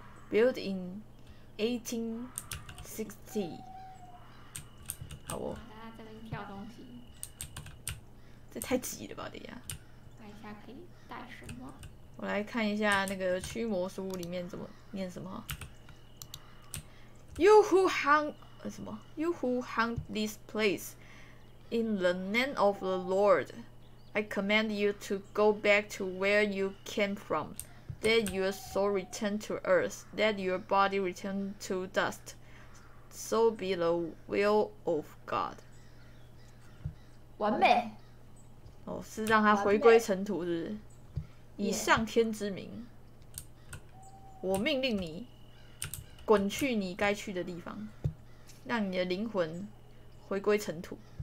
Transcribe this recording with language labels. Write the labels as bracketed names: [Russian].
[English] Built in 1860，好哦。 [Chinese] 大家这边跳东西，这太急了吧，迪亚。看一下可以带什么？我来看一下那个驱魔书里面怎么念什么。 [English] You who hunt [Chinese] 什么 [English] ？You who hunt this place in the name of the Lord, I command you to go back to where you came from. That your soul return to earth, that your body return to dust, so be the will of God. [Chinese] 完美。哦，是让他回归尘土，是不是？以上天之名， yeah. 我命令你滚去你该去的地方，让你的灵魂回归尘土。